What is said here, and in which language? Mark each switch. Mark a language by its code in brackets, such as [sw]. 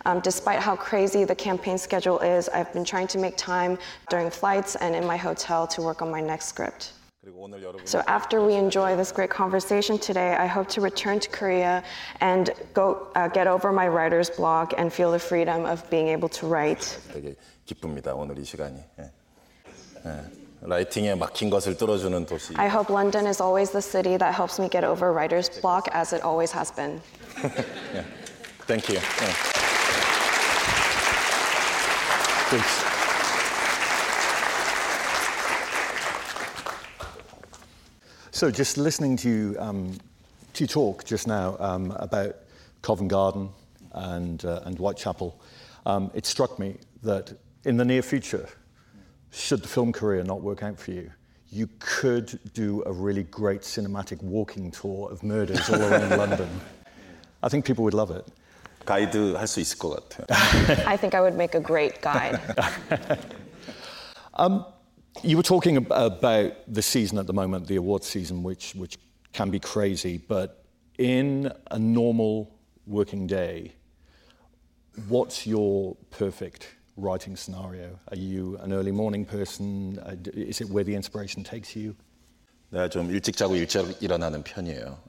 [en] Despite how crazy the campaign schedule is, I've been trying to make time during flights and in my hotel to work on my next script. So after we enjoy this great conversation today, I hope to return to Korea and go get over my writer's block and feel the freedom of being able to write. [ko] 되게 기쁩니다, 오늘 이 시간이. 라이팅에 막힌 것을 뚫어주는 도시. [en] I hope London is always the city that helps me get over writer's block as it always has been. Yeah. Thank you. Yeah. Thanks. [ko] 그래서 [en] so just listening to you to talk just now about Covent Garden and Whitechapel, it struck me that in the near future, should the film career not work out for you, you could do a really great cinematic walking tour of murders all around London. I think people would love it. [ko] 가이드 할 수 있을 것 같아요. [en] I think I would make a great guide. You were talking about the season at the moment, the awards season, which can be crazy, but in a normal working day, what's your perfect writing scenario? Are you an early morning person? Is it where the inspiration takes you? [ko] 내가 좀 일찍 자고 일찍 일어나는 편이에요.